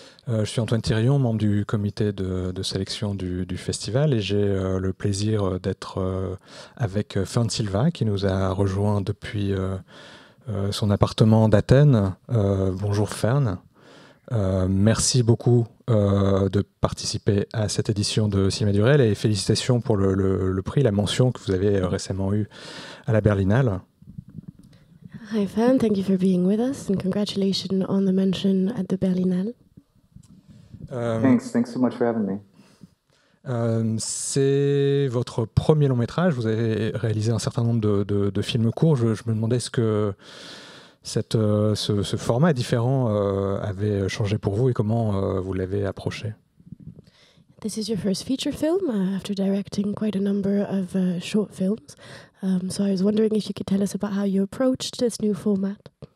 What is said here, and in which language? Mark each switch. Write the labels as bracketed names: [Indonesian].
[French] Je suis Antoine Thirion, membre du comité de sélection du festival, et j'ai le plaisir d'être avec Fern Silva, qui nous a rejoint depuis son appartement d'Athènes. Bonjour Fern. Merci beaucoup de participer à cette édition de Cinéma du Réel et félicitations pour le prix, la mention que vous avez récemment eue à la Berlinale. [English] Hi Fern, thank you for being with us and congratulations on the mention at the Berlinale. Thanks so much for having me. [French] C'est votre premier long métrage, vous avez réalisé un certain nombre de films courts. Je me demandais ce que ce format différent avait changé pour vous et comment vous l'avez approché. [English] This is your first feature film after directing quite a number of short films. So I was wondering if you could tell us about how you approached this new format.